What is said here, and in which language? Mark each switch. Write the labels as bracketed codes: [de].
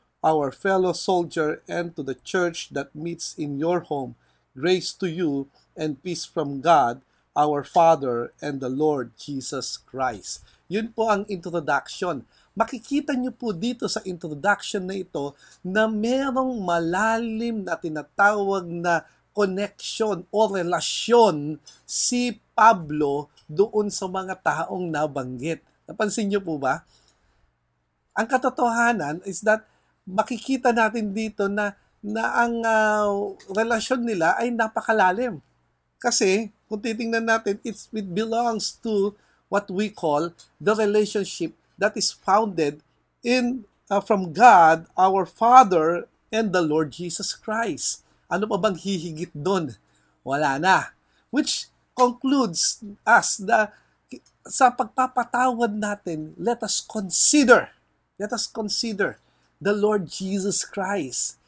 [en] our fellow soldier, and to the church that meets in your home, grace to you and peace from God, our Father, and the Lord Jesus Christ. [tl] Yun po ang introduction. Makikita niyo po dito sa introduction na ito na merong malalim na tinatawag na connection o relasyon si Pablo doon sa mga taong nabanggit. Napansin niyo po ba? Ang katotohanan [en] is that [tl] makikita natin dito na ang relasyon nila ay napakalalim. Kasi kung titingnan natin, [en] it belongs to what we call the relationship that is founded in from God, our Father, and the Lord Jesus Christ. [tl] Ano pa bang hihigit doon? Wala na. [en] Which concludes us [tl] na sa pagpapatawad natin, [en] let us consider the Lord Jesus Christ.